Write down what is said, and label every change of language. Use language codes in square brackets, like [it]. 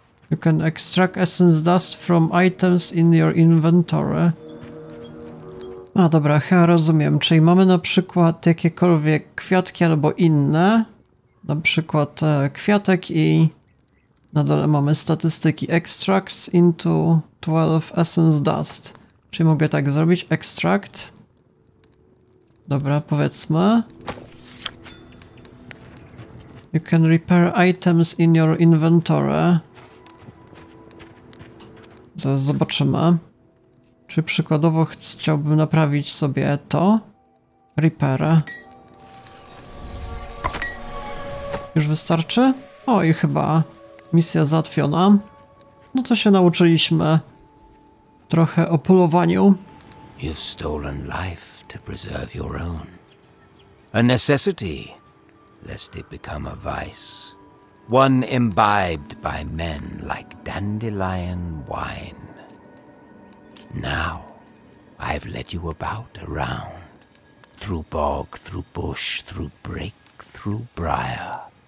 [en] You can extract essence dust from items in your inventory. [pl] A dobra, chyba rozumiem. Czyli mamy na przykład jakiekolwiek kwiatki albo inne. Na przykład kwiatek i na dole mamy statystyki. [en] Extracts into 12 essence dust. [pl] Czyli mogę tak zrobić. [en] Extract. [pl] Dobra, powiedzmy. [en] You can repair items in your inventory. [pl] Zaraz zobaczymy. Czy przykładowo chciałbym naprawić sobie to? Repair. Już wystarczy? O, i chyba misja załatwiona. No to się nauczyliśmy trochę o polowaniu. [en] You've stolen life to preserve your own. A necessity, lest it become a vice. One imbibed by men like dandelion wine. Now, I've led you about, around. Through bog, through bush, through brake, through briar.